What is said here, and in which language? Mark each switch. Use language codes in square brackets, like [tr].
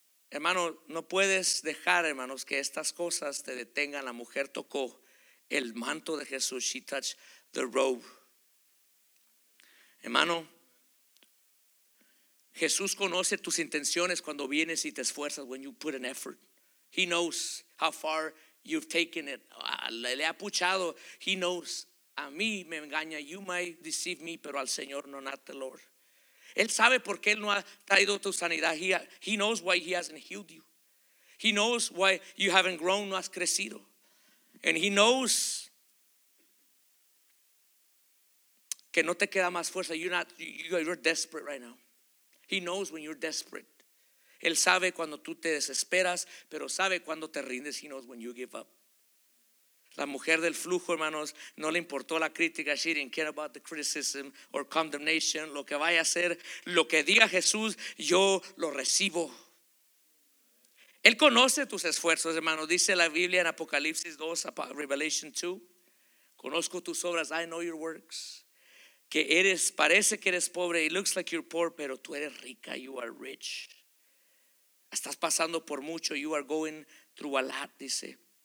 [es] Hermano, no puedes dejar, hermanos, que estas cosas te detengan. La mujer tocó el manto de Jesús. [en] She touched the robe. [es] Hermano, Jesús conoce tus intenciones cuando vienes y te esfuerzas. [en] When you put an effort, He knows how far you've taken it. [es] Le ha puchado. [en] He knows. [es] A mí me engaña, [en] you might deceive me, [es] pero al Señor no, [en] not the Lord. [es] Él sabe por qué Él no ha traído tu sanidad. [en] He knows why He hasn't healed you. He knows why you haven't grown, [es] no has crecido. [en] And He knows [es] que no te queda más fuerza. [en] You're desperate right now. He knows when you're desperate. [es] Él sabe cuando tú te desesperas, pero sabe cuando te rindes. [en] He knows when you give up. [es] La mujer del flujo, hermanos, no le importó la crítica. [en] She didn't care about the criticism or condemnation. [es] Lo que vaya a hacer, lo que diga Jesús, yo lo recibo. Él conoce tus esfuerzos, hermanos. Dice la Biblia en Apocalipsis 2, [en] Revelation 2. [es] Conozco tus obras, [en] I know your works. [es] Que eres, parece que eres pobre. [en] It looks like you're poor, [es] pero tú eres rica. [en] You are rich. [es] Estás pasando por mucho. [en] You are going through a lot, [es] dice.